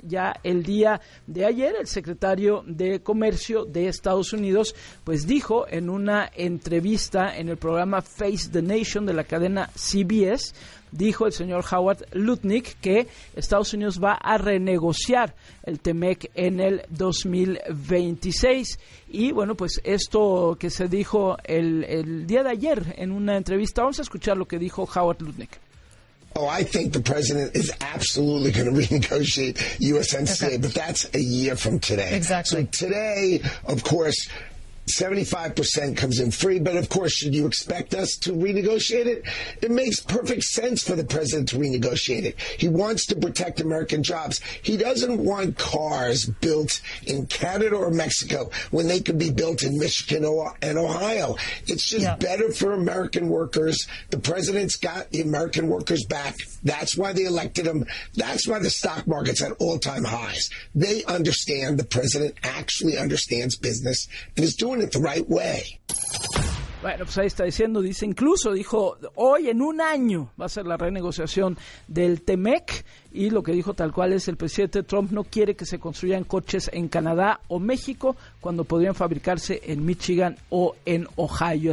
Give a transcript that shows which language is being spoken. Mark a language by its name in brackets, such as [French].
[Spanish] Ya el día de ayer el secretario de Comercio de Estados Unidos pues dijo en una entrevista en el programa Face the Nation de la cadena CBS, dijo el señor Howard Lutnick, que Estados Unidos va a renegociar el T-MEC en el 2026. Y bueno, pues esto que se dijo el día de ayer en una entrevista, vamos a escuchar lo que dijo Howard Lutnick. [English] Oh, I think the president is absolutely going to renegotiate USMCA, okay. But that's a year from today. Exactly. So today, of course, 75% comes in free, but of course, should you expect us to renegotiate it? It makes perfect sense for the president to renegotiate it. He wants to protect American jobs. He doesn't want cars built in Canada or Mexico when they could be built in Michigan and Ohio. It's just better for American workers. The president's got the American workers back. That's why they elected him. That's why the stock market's at all-time highs. They understand the president actually understands business and is doing it the right way. [Spanish] Bueno, pues ahí está diciendo, dice, incluso dijo, hoy en un año va a ser la renegociación del T-MEC, y lo que dijo tal cual es, el presidente Trump no quiere que se construyan coches en Canadá o México cuando podrían fabricarse en Michigan o en Ohio.